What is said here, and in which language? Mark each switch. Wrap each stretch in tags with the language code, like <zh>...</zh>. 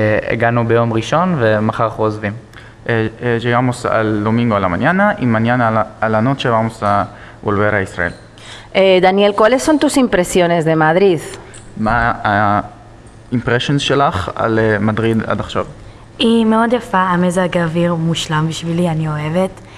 <he>הגענו ביום ראשון ומחר אנחנו עוזבים.</he> <es>Llegamos al domingo a la mañana y mañana a la noche vamos a volver a Israel. Daniel, ¿cuáles son tus impresiones de Madrid?</es> <he>מה impressions שלך על מדריד עד עכשיו? היא מאוד יפה, המזג האוויר מושלם בשבילי, אני אוהבת.</he>